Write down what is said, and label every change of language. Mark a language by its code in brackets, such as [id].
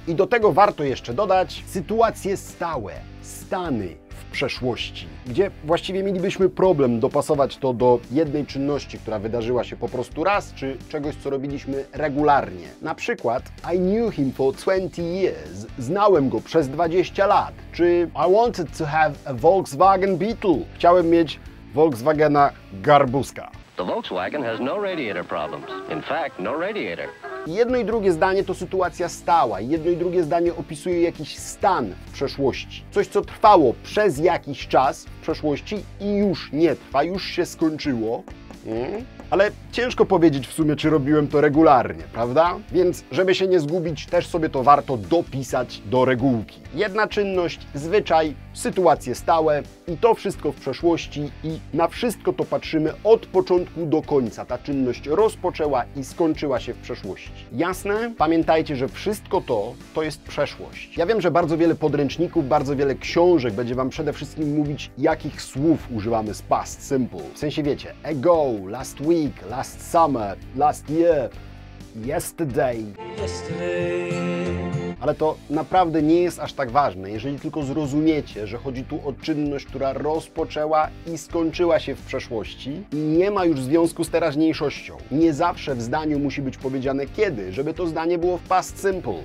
[pl] I do tego warto jeszcze dodać sytuacje stałe, stany w przeszłości, gdzie właściwie mielibyśmy problem dopasować to do jednej czynności, która wydarzyła się po prostu raz, czy czegoś, co robiliśmy regularnie. Na przykład [en] I knew him for 20 years. [pl] Znałem go przez 20 lat. [en] Czy I wanted to have a Volkswagen Beetle. [pl] Chciałem mieć Volkswagena Garbuska. [en] The Volkswagen has no radiator problems. In fact, no radiator. [pl] Jedno i drugie zdanie to sytuacja stała. Jedno i drugie zdanie opisuje jakiś stan w przeszłości. Coś, co trwało przez jakiś czas w przeszłości i już nie trwa, już się skończyło. Ale ciężko powiedzieć w sumie, czy robiłem to regularnie, prawda? Więc, żeby się nie zgubić, też sobie to warto dopisać do regułki. Jedna czynność, zwyczaj, sytuacje stałe i to wszystko w przeszłości i na wszystko to patrzymy od początku do końca. Ta czynność rozpoczęła i skończyła się w przeszłości. Jasne? Pamiętajcie, że wszystko to, to jest przeszłość. Ja wiem, że bardzo wiele podręczników, bardzo wiele książek będzie Wam przede wszystkim mówić, jakich słów używamy z past simple. W sensie wiecie, ago, last week, last summer, last year, yesterday. Ale to naprawdę nie jest aż tak ważne, jeżeli tylko zrozumiecie, że chodzi tu o czynność, która rozpoczęła i skończyła się w przeszłości i nie ma już związku z teraźniejszością. Nie zawsze w zdaniu musi być powiedziane kiedy, żeby to zdanie było w past simple.